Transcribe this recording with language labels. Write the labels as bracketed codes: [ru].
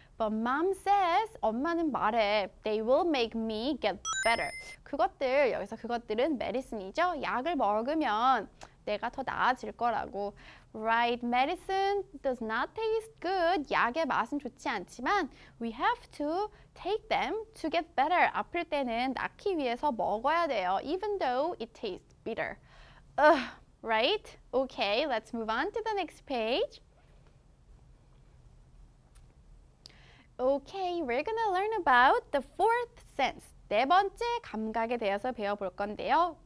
[en] But mom says, [ko] 엄마는 말해, [en] they will make me get better. [ko] 그것들, 여기서 그것들은 medicine이죠. 약을 먹으면 내가 더 나아질 거라고. [en] Right, medicine does not taste good. [ko] 약의 맛은 좋지 않지만 [en] we have to take them to get better. [ko] 아플 때는 낫기 위해서 먹어야 돼요. [en] Even though it tastes bitter. Right? Okay, let's move on to the next page. Okay, we're gonna learn about the fourth sense. [ko] 네 번째 감각에 대해서 배워볼 건데요.